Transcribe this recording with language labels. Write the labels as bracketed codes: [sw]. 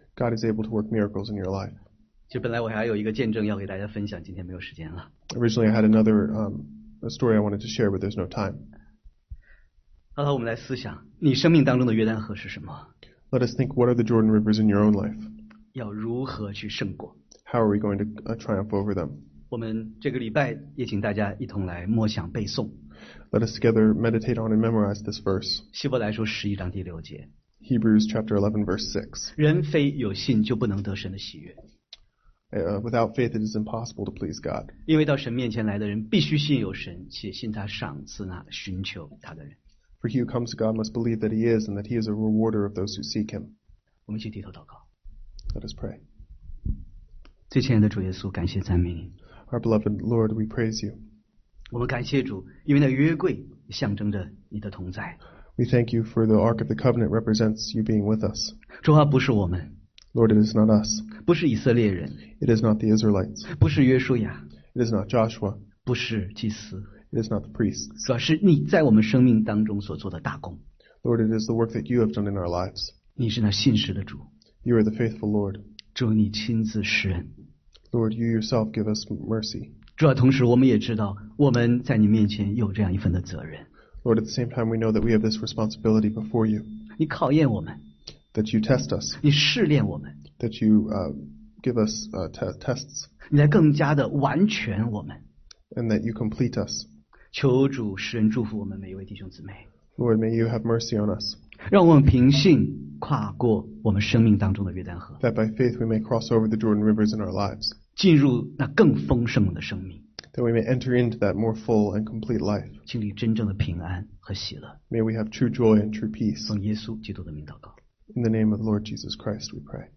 [en] God is able to work miracles in your life. [zh] 其实本来我还有一个见证要给大家分享，今天没有时间了。 [en] Originally I had another story I wanted to share, but there's no time. [zh] 好了，我们来思想，你生命当中的约旦河是什么？ [en] Let us think, what are the Jordan rivers in your own life? [zh] 要如何去胜过？ [en] How are we going to triumph over them? [zh] 我们这个礼拜也请大家一同来默想背诵。 [en] Let us together meditate on and memorize this verse. [zh] 希伯来书十一章第六节。 [en] Hebrews chapter 11 verse 6. [zh] 人非有信就不能得神的喜悦。 [en] Without faith it is impossible to please God. [zh] 因为到神面前来的人必须信有神，且信他赏赐那寻求他的人。 [en] For he who comes to God must believe that he is and that he is a rewarder of those who seek him. [zh] 我们一起低头祷告。 [en] Let us pray. [zh] 最亲爱的主耶稣，感谢赞美你。 [en] Our beloved Lord, we praise you. [zh] 我们感谢主，因为那约柜象征着你的同在。 [en] We thank you for the Ark of the Covenant represents you being with us. [zh] 主啊，不是我们。 [en] Lord, it is not us. [zh] 不是以色列人。 [en] It is not the Israelites. [zh] 不是约书亚。 [en] It is not Joshua. [zh] 不是祭司。 [en] It is not the priests. [zh] 主要是你在我们生命当中所做的大工。 [en] Lord, it is the work that you have done in our lives. [zh] 你是那信实的主。 [en] You are the faithful Lord. [zh] 主你亲自施恩。 [en] Lord, you yourself give us mercy. [zh] 主要同时我们也知道我们在你面前有这样一份的责任。 [en] Lord, at the same time, we know that we have this responsibility before you. [zh] 你考验我们。 [en] That you test us. [zh] 你试炼我们。 [en] That you give us tests. [zh] 你来更加的完全我们。 [en] And that you complete us. [zh] 求主施恩祝福我们每一位弟兄姊妹。 [en] Lord, may you have mercy on us. [zh] 让我们凭信跨过我们生命当中的约旦河。 [en] That by faith we may cross over the Jordan rivers in our lives. [zh] 进入那更丰盛的生命。 [en] That we may enter into that more full and complete life. [zh] 经历真正的平安和喜乐。 [en] May we have true joy and true peace. [zh] 奉耶稣基督的名祷告。 [en] In the name of the Lord Jesus Christ, we pray.